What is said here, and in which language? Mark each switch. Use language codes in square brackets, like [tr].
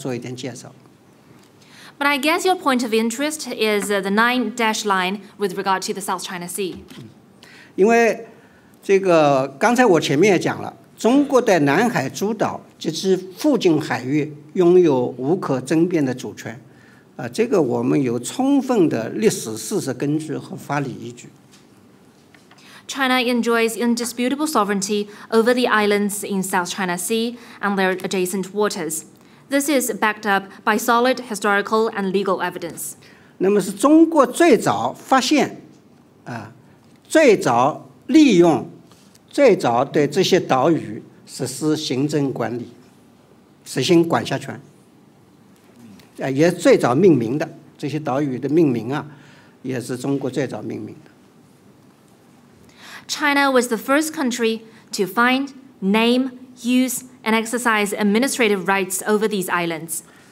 [zh] 但是我想你也许是感兴趣的是关于南海，曾经有一个九段线，我想把这个九段线的问题也简单的给大家做一点介绍。 [en] But I guess your point of interest is the nine dash line with regard to the South China Sea. [zh] 因为这个刚才我前面也讲了，中国的南海诸岛及其附近海域拥有无可争辩的主权。 [en] China enjoys indisputable sovereignty over the islands in South China Sea and their adjacent waters. This is backed up by solid historical and legal evidence. [zh] 那么是中国最早发现，最早利用，最早对这些岛屿实施行政管理，实行管辖权，也最早命名的这些岛屿的命名也是中国最早命名的。China [en] was the first country to find, name, use, and exercise administrative rights over these islands.